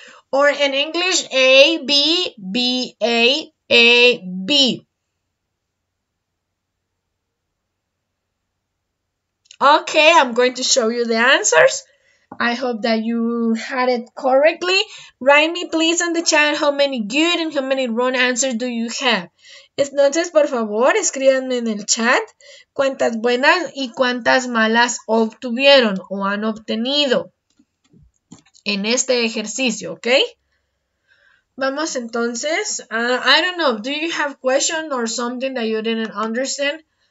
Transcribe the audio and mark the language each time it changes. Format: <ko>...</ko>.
<en>Or in English, A, B, B, A, B. Okay, I'm going to show you the answers. I hope that you had it correctly. Write me, please, in the chat how many good and how many wrong answers do you have.</en> <es>Entonces, por favor, escríbanme en el chat cuántas buenas y cuántas malas obtuvieron o han obtenido en este ejercicio, ¿ok? Vamos entonces.</es> <en>I don't know. Do you have question or something that you didn't understand?</en>